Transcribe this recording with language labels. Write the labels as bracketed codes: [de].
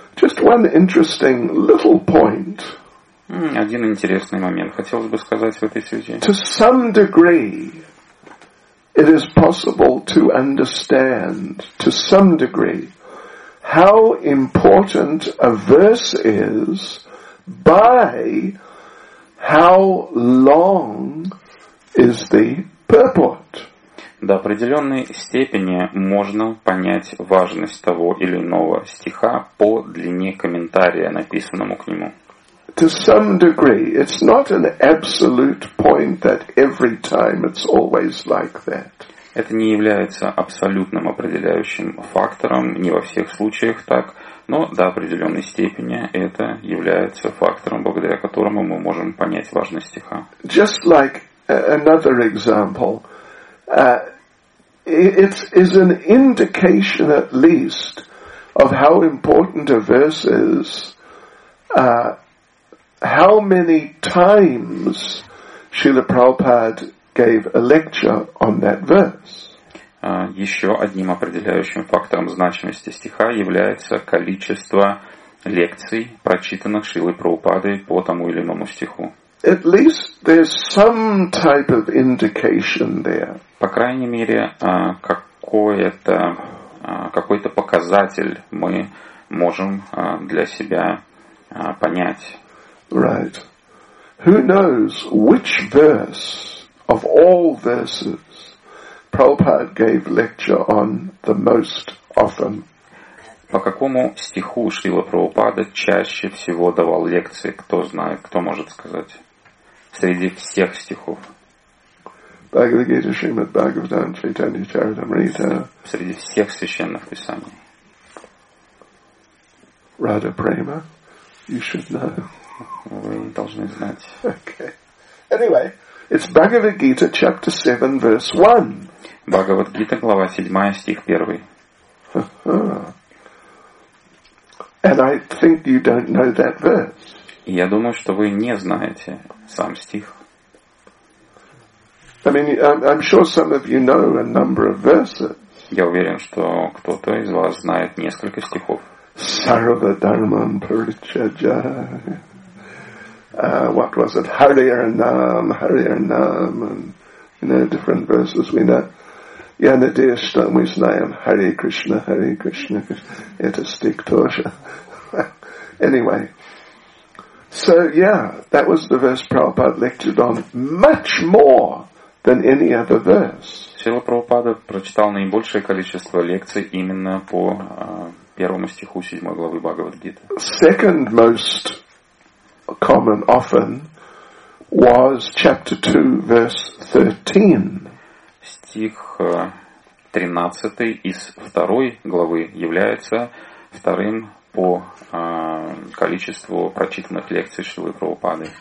[en] Just one interesting little point. [ru] Один интересный момент хотелось бы сказать в этой связи. [en] To some degree, it is possible to understand, to some degree, how important a verse is by how long is the purport. [ru] До определенной степени можно понять важность того или иного стиха по длине комментария, написанному к нему. [en] To some degree, it's not an absolute point that every time it's always like that. [ru] Это не является абсолютным определяющим фактором, не во всех случаях так, но до определенной степени это является фактором, благодаря которому мы можем понять важность стиха. [en] Just like another example, it is an indication at least of how important a verse is, how many times Srila Prabhupada gave a lecture on that verse. [ru] Еще одним определяющим фактором значимости стиха является количество лекций, прочитанных Шрилой Прабхупадой по тому или иному стиху. [en] At least there's some type of indication there. [ru] По крайней мере, какой-то показатель мы можем для себя понять. [en] Right. Who knows which verse of all verses Prabhupada gave lecture on the most often? [ru] По какому стиху Шрила Прабхупада чаще всего давал лекции? Кто знает, кто может сказать? Среди всех стихов. [en] Bhagavad Gita, Srimad Bhagavatam, Chaitanya Charitamrita. [ru] Среди всех священных писаний. [en] Radha Prema, you should know. [ru] Вы должны знать. [en] Okay. Anyway, it's Bhagavad Gita, chapter 7, verse 1. [ru] Bhagavad Gita, глава 7, стих 1. [en] And I think you don't know that verse. [ru] Я думаю, что вы не знаете сам стих. [en] I mean, I'm sure some of you know a number of verses. [ru] Я уверен, что кто-то из вас знает несколько стихов. [sa] Sarva dharmam parichaja. [en] What was it? Hari Arnam. And, you know, different verses we know. [ru] Yanadeshta, мы знаем. Hari Krishna. Это стих тоже. Anyway. [en] So yeah, that was the verse Prabhupada lectured on much more than any other verse. [ru] Шрила Прабхупада прочитал наибольшее количество лекций именно по первому стиху 7 главы Бхагавад-гиты. [en] Second most common often was chapter 2, verse 13. [ru] Стих 13 из второй главы является вторым по количеству прочитанных лекций Шрилы Прабхупады.